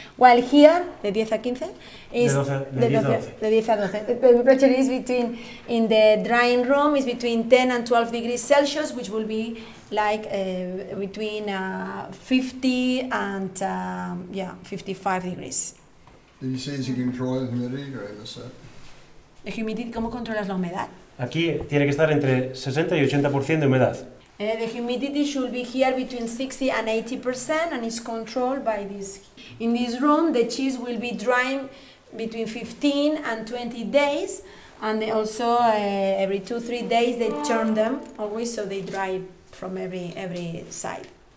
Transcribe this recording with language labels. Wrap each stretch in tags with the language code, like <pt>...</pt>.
<en>While here, the 10 a 15, is the temperature is between, in the drying room, is between 10 and 12 degrees Celsius, which will be like between 50 and 55 degrees. Did you say you control the humidity or what's that? The humidity,</en> <es>¿cómo controlas la humedad? Aquí tiene que estar entre 60 y 80% de humedad.</es> <en>The humidity should be here between 60 and 80% and it's controlled by this. In this room, the cheese will be drying between 15 and 20 days. And they also every 2-3 days they turn them always so they dry from every side.</en>